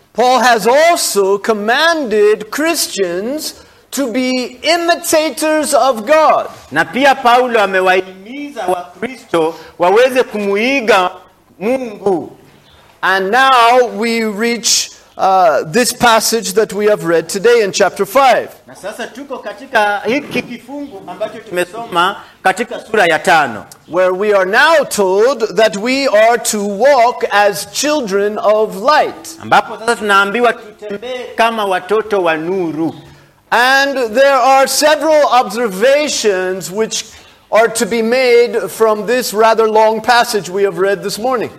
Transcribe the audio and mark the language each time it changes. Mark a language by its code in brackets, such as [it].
[en] Paul has also commanded Christians to be imitators of God. [sw] Na pia Paulo amewahimiza wa Kristo waweze kumuiga Mungu. [en] And now we reach this passage that we have read today in chapter 5. [sw] Na sasa tuko katika hiki kifungu ambacho tumesoma katika sura ya 5. [en] Where we are now told that we are to walk as children of light. [sw] Ambapo sasa tunaambiwa tutembee kama watoto wa nuru. [en] And there are several observations which are to be made from this rather long passage we have read this morning.